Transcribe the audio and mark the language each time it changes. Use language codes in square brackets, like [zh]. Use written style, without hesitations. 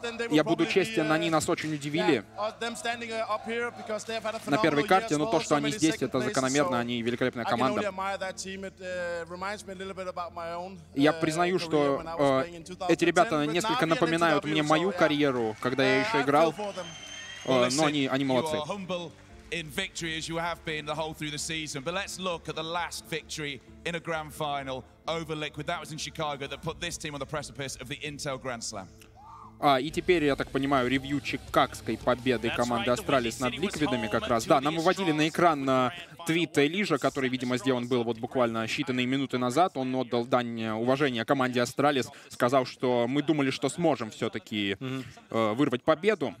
[ru] Я буду честен, они нас очень удивили на первой карте, но то, что они здесь, это закономерно, они великолепная команда. Я признаю, что эти ребята несколько напоминают мне мою карьеру, когда я еще играл, но они молодцы. [en] In victory as you have been the whole through the season, but let's look at the last victory in a grand final over Liquid. That was in Chicago that put this team on the precipice of the Intel Grand Slam. [ru] И теперь, я так понимаю, ревью чикагской победы команды Астралис над Ликвидами как раз. Да, нам выводили на экран на твит Лижа, который, видимо, сделан был вот буквально считанные минуты назад. Он отдал дань уважения команде Астралис, сказал, что мы думали, что сможем все-таки вырвать победу.